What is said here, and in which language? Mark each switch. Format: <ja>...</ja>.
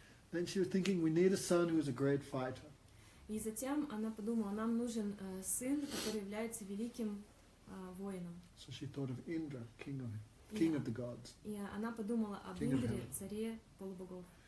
<en>Then she was thinking, we need a son who is a great fighter.</en> <ru>И затем она подумала, нам нужен сын, который является великим воином.</ru> <en>So she thought of Indra, king of the gods.</en> <ru>И она подумала об Индре, царе полубогов.</ru>